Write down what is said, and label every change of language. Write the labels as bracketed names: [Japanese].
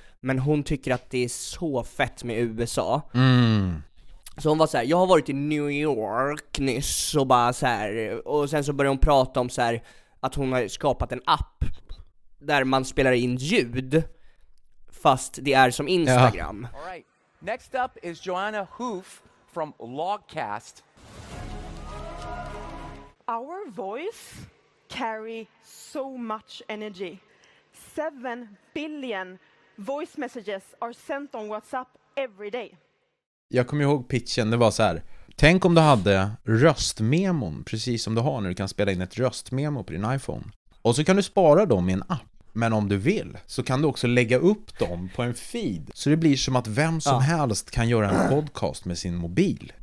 [Swedish] Men hon tycker att det är så fett med USA. Så hon var så här, jag har varit i New York nyss och bara så här, och sen så började hon prata om så här att hon har skapat en app där man spelar in ljud fast det är som Instagram. Ja. [English] All right. Next up is Johanna Hof from Logcast. Our voice carry so much energy. 7 billion voice messages are sent on WhatsApp every day. [Swedish] Jag kommer ihåg pitchen, det var så här: tänk om du hade röstmemon, precis som du har när du kan spela in ett röstmemo på din iPhone. Och så kan du spara dem i en app. Men om du vill så kan du också lägga upp dem på en feed. Så det blir som att vem som helst kan göra en podcast med sin mobil.